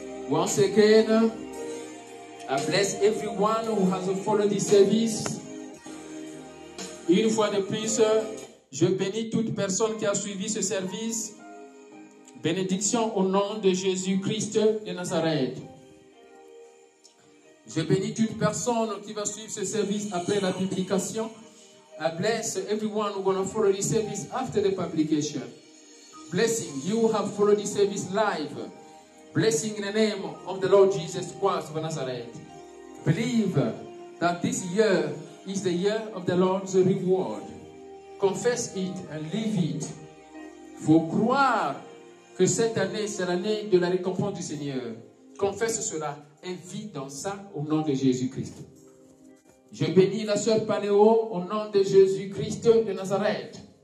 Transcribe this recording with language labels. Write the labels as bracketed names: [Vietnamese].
[English] Once again, I bless everyone who has followed this service. [French] Une fois de plus, je bénis toute personne qui a suivi ce service. Bénédiction au nom de Jésus-Christ de Nazareth. Je bénis toute personne qui va suivre ce service après la publication. [English] I bless everyone who is going to follow this service after the publication. Blessing, you have followed this service live. Blessing in the name of the Lord Jesus Christ of Nazareth. Believe that this year is the year of the Lord's reward. Confess it and live it. [French] Faut croire que cette année, c'est l'année de la récompense du Seigneur. Confesse cela et vis dans ça au nom de Jésus-Christ. Je bénis la sœur Paléo au nom de Jésus-Christ de Nazareth.